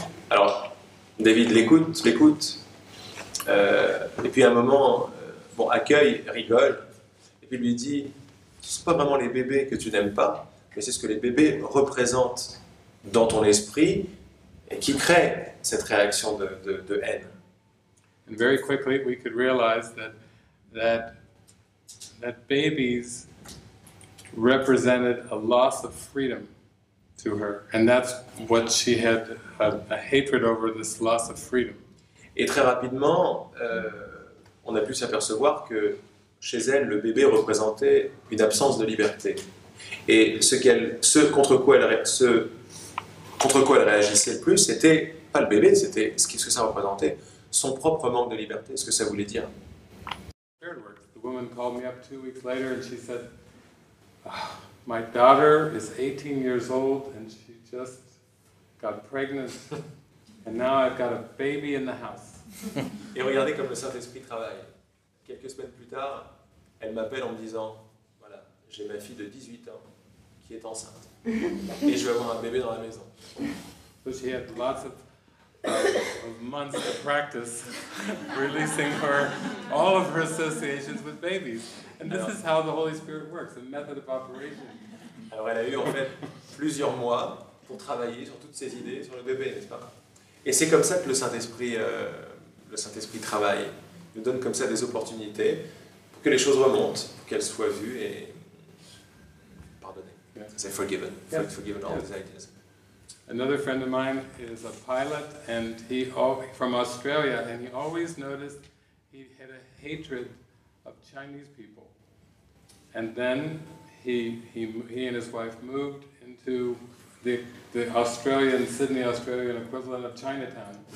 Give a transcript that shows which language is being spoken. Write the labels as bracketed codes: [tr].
[fr] Alors, David l'écoute, et puis à un moment, bon, accueille, rigole, et puis lui dit, c'est pas vraiment les bébés que tu n'aimes pas, mais c'est ce que les bébés représentent dans ton esprit et qui crée cette réaction de haine. [en] And very quickly we could realize that babies represented a loss of freedom to her, and that's what she had a hatred over, this loss of freedom. [fr] Et très rapidement, on a pu s'apercevoir que chez elle, le bébé représentait une absence de liberté. Et ce contre quoi elle réagissait le plus, c'était pas le bébé, c'était ce que ça représentait, son propre manque de liberté, ce que ça voulait dire. [en] The woman called me up 2 weeks later and she said, my daughter is 18 years old and she just got pregnant and now I've got a baby in the house. [fr] Et regardez comme le Saint-Esprit travaille. Quelques semaines plus tard, elle m'appelle en me disant, voilà, j'ai ma fille de 18 ans qui est enceinte et je vais avoir un bébé dans la maison. [en] So she had lots of months to practice releasing her, all of her associations with babies. And this is how the Holy Spirit works, the method of operation. [fr] Alors elle a eu en fait plusieurs mois pour travailler sur toutes ses idées sur le bébé, n'est-ce pas? Et c'est comme ça que le Saint-Esprit travaille. Il nous donne comme ça des opportunités pour que les choses remontent, pour qu'elles soient vues et pardonnées. [en] Yeah. [fr] C'est [en] forgiven. Yeah. Forgiven all these ideas. Another friend of mine is a pilot and he from Australia and he always noticed he had a hatred of Chinese people. And then he and his wife moved into the Australian, Sydney, Australian equivalent of Chinatown.